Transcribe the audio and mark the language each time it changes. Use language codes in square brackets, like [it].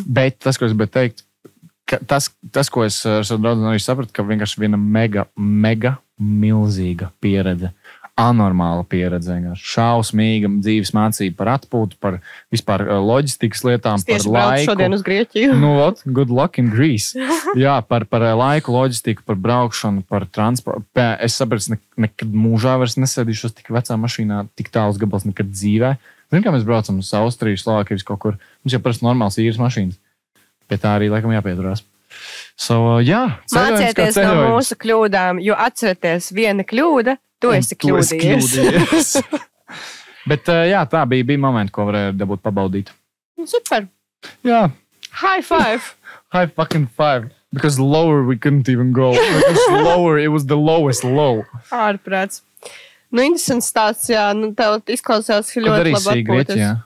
[lv] Bet tas, ko es gribētu teikt, tas, ko es ar savu draudzi arī sapratu, ka vienkārši viena mega, mega milzīga pieredze, anormāla pieredze, vienkārši šausmīga dzīves mācība par atpūtu, par vispār loģistikas lietām, par laiku. Es tieši braucu šodien uz Grieķiju. [en] Nu, what? Good luck in Greece. [lv] Jā, par laiku, loģistiku, par braukšanu, par transportu. Es sapratu, nekad mūžā vairs nesēdīšos tik vecā mašīnā, tik tālus gabals nekad dzīvē. Zinu, kā mēs braucam uz Austriju, Slovākijas kaut kur. Mums jau parasti normāls īres mašīnas. Pie tā arī, laikam, jāpieturās. So, jā, mācieties no mūsu kļūdām, jo atceraties viena kļūda, tu esi kļūdījies. Tu esi kļūdījies. Bet jā, tā bija momenti, ko varēja dabūt pabaudīt. Super. Jā. [en] High five. High fucking five. Because lower we couldn't even go. Lower, it was the lowest low. [lv] Ārprāts. Nu, interesants stāsts, jā. Nu, tev izklausās ļoti labi atpūtas. Kad arī sī Grieķijā?